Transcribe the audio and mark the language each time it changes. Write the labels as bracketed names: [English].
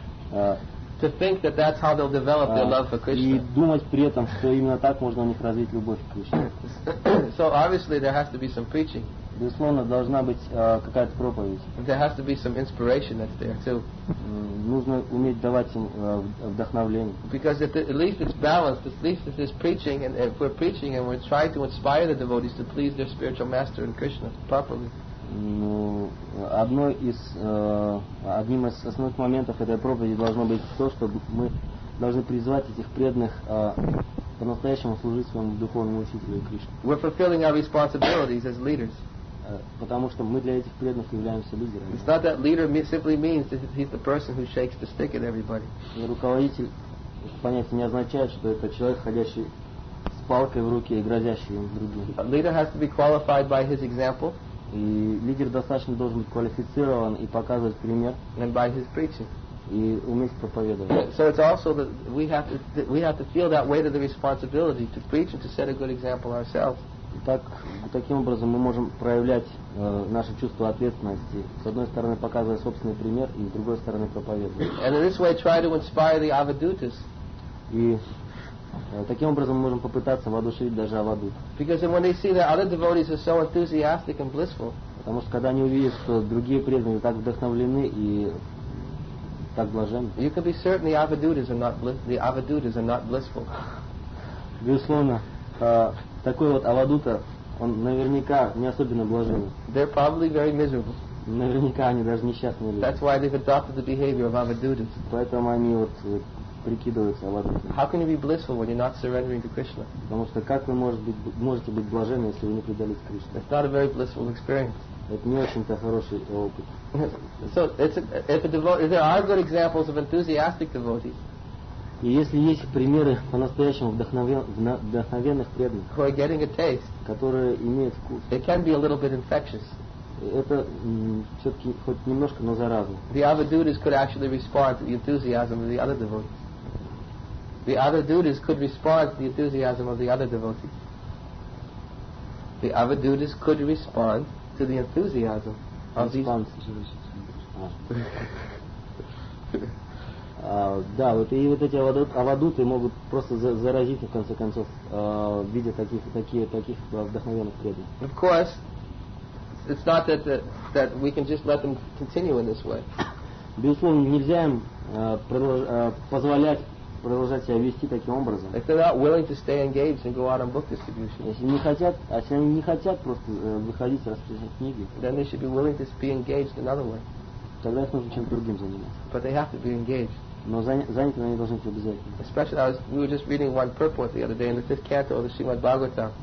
[English] To think that that's how they'll develop their love for Krishna. [Russian] И думать при этом, что именно так можно у них развить любовь к Кришне. [English] So obviously there has to be some preaching. [Russian] Безусловно, должна быть какая-то проповедь. [English] There has to be some inspiration that's there too. [Russian] Нужно уметь давать им вдохновление. [English] Because at least it's balanced. At least if there's preaching and if we're preaching and we're trying to inspire the devotees to please their spiritual master and Krishna properly. [Russian] Ну, одним из основных моментов этой проповеди должно быть то, что мы должны призвать этих преданных по-настоящему служить своему духовному учителю Кришне. [English] We're fulfilling our responsibilities as leaders. [Russian] Потому что мы для этих преданных являемся лидерами. [English] It's not that leader simply means that he's the person who shakes the stick at everybody. [Russian] Руководитель понятия не означает, что это человек, ходящий с палкой в руке и грозящий им другим. [English] A leader has to be qualified by his example. [Russian] И лидер достаточно должен быть квалифицирован и показывать пример. [English] And by his preaching. [Russian] И уметь проповедовать. [English] So it's also that we have to feel that weight of the responsibility to preach and to set a good example ourselves. [Russian] Таким образом мы можем проявлять наше чувство ответственности, с одной стороны показывая собственный пример, и с другой стороны проповедовать. [English] And in this way try to inspire the avadutas. [Russian] И таким образом мы можем попытаться воодушевить даже авадут. [English] Because when they see that other devotees are so enthusiastic and blissful. [Russian] Потому что когда они увидят, что другие преданные так вдохновлены и так блажены. [English] You can be certain the avadutas are not blissful. [Russian] Безусловно, такой вот авадута, он наверняка не особенно блажен. [English] They're probably very miserable. [Russian] Наверняка они даже несчастные люди. [English] That's why they've adopted the behavior of avadutas. [Russian] Поэтому они вот прикидываются авадутами. [English] How can you be blissful when you're not surrendering to Krishna? [Russian] Потому что как вы можете быть блаженны, если вы не предались Кришне? [English] It's not a very blissful experience. [Russian] Это не очень-то хороший опыт. [English] So if there are good examples of enthusiastic devotees. [Russian] И если есть примеры по-настоящему вдохновенных преданных, которые имеют вкус, [English] it can be a little bit infectious. [Russian] Это все-таки хоть немножко, но заразно. [English] The avadutas could actually respond to the enthusiasm of the other devotees. The avadutas could respond to the enthusiasm of the other devotees. The avadutas could respond to the enthusiasm of [Russian] Да, вот и вот эти авадуты могут просто заразить, в конце концов, в виде таких вдохновенных преданных. [English] Of course, it's not that that we can just let them continue in this way. [Russian] Безусловно, нельзя им позволять продолжать себя вести таким образом. [English] If they're not willing to stay engaged and go out on book distribution. [Russian] Если они не хотят просто выходить распространять книги, [English] then they should be willing to be engaged another way. [Russian] Тогда их нужно чем-то другим заниматься. [English] But they have to be engaged. [Russian] Но заняты они должны быть обязательно. [English] Especially we were just reading one purport the other day in the fifth canto of the Srimad Bhagavatam.